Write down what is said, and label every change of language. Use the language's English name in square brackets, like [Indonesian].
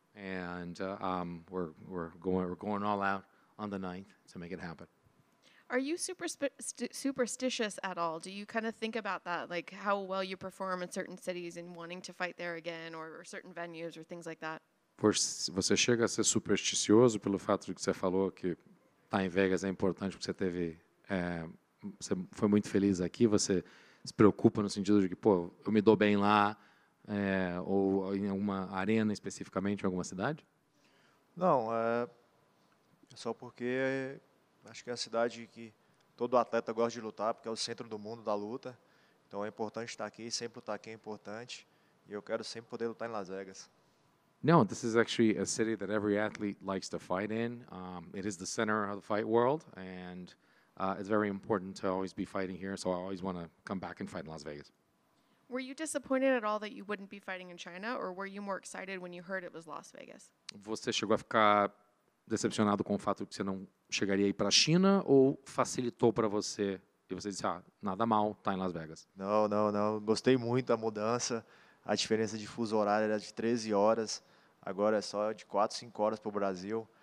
[English] And we're going all out on the ninth to make it happen. Are you superstitious at all? Do you kind of think about that, like how well you perform in certain cities and wanting to fight there again, or certain venues or things like that? [Portuguese] Você chega a ser supersticioso pelo fato de que você falou que estar em Vegas é importante porque você foi muito feliz aqui. Você se preocupa no sentido de que, pô, eu me dou bem lá. Ou em alguma arena especificamente, em alguma cidade? Não, é só porque acho que é a cidade que todo atleta gosta de lutar, porque é o centro do mundo da luta. Então é importante estar aqui, sempre lutar aqui é importante. E eu quero sempre poder lutar em Las Vegas. [English] No, this is actually a city that every athlete likes to fight in. It is the center of the fight world, and it's very important to always be fighting here, so I always want to come back and fight in Las Vegas. Were you disappointed at all that you wouldn't be fighting in China, or were you more excited when you heard it was Las Vegas? [Portuguese] Você chegou a ficar decepcionado com o fato de que você não chegaria aí para a China, ou facilitou para você e você disse, ah, nada mal, tá em Las Vegas? Não. Gostei muito da mudança. A diferença de fuso horário era de 13 horas, agora é só de 4, 5 horas para o Brasil.